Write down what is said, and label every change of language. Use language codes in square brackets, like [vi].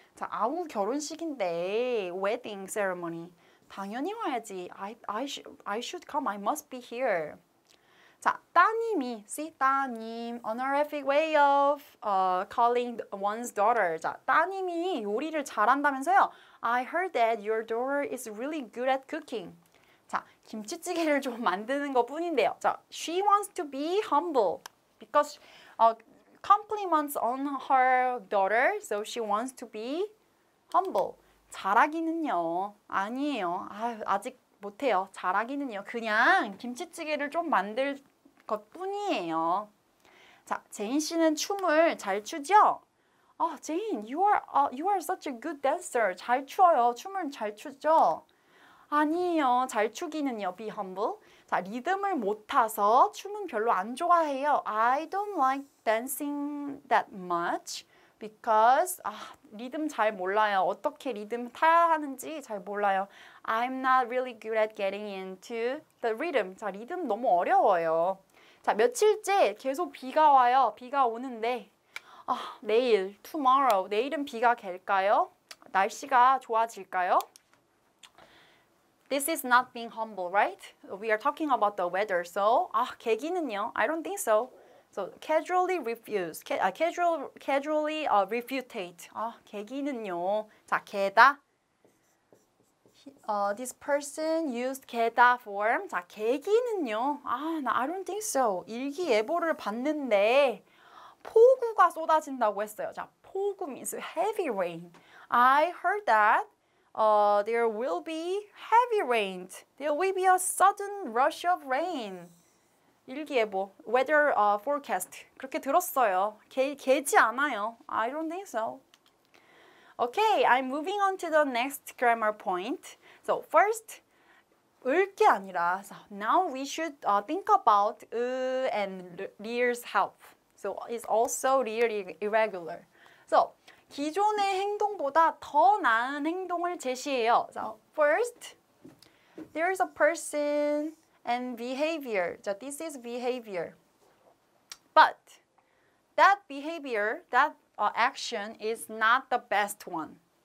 [ko] 자, 아우 결혼식인데. [en] Wedding ceremony. [ko] 당연히 와야지. [en] I should come. I must be here. 자, 따님이, see, 따님, honorific way of calling one's daughter. [ko] 자, 따님이 요리를 잘한다면서요? [en] I heard that your daughter is really good at cooking. [ko] 자, 김치찌개를 좀 만드는 것 뿐인데요. [en] 자, she wants to be humble because compliments on her daughter, so she wants to be humble. [ko] 잘하기는요? 아니에요. 아직 못해요. 잘하기는요? 그냥 김치찌개를 좀 만들 것 뿐이에요. 자, 제인 씨는 춤을 잘 추죠? [en] 아, 제인, you are such a good dancer. [ko] 잘 추어요. 춤을 잘 추죠? 아니에요. 잘 추기는요. [en] Be humble. [ko] 자, 리듬을 못 타서 춤은 별로 안 좋아해요. [en] I don't like dancing that much because [ko] 리듬 잘 몰라요. 어떻게 리듬 타야 하는지 잘 몰라요. [en] I'm not really good at getting into the rhythm. [ko] 자, 리듬 너무 어려워요. 자, 며칠째 계속 비가 와요. 비가 오는데 내일, tomorrow, 내일은 비가 갤까요? 날씨가 좋아질까요? [en] This is not being humble, right? We are talking about the weather. So, 계기는요? I don't think so. So, casually refuse. casually refutate. [ko] 계기는요? 자, 개다. [en] This person used 게다 form. [ko] 자, 계기는요? [en] 나 I don't think so. [ko] 일기예보를 봤는데 폭우가 쏟아진다고 했어요. [en] 자, 폭우 means heavy rain. I heard that there will be heavy rain. There will be a sudden rush of rain. [ko] 일기예보, [en] weather forecast. [ko] 그렇게 들었어요. 계지 않아요. [en] I don't think so. Okay, I'm moving on to the next grammar point. So first, 을 게 아니라, so now we should think about 으 and 리을's help. So it's also really irregular. [ko] So 기존의 행동보다 더 나은 행동을 제시해요. [en] So first, there is a person and behavior. So this is behavior. But that behavior, that action is not the best one.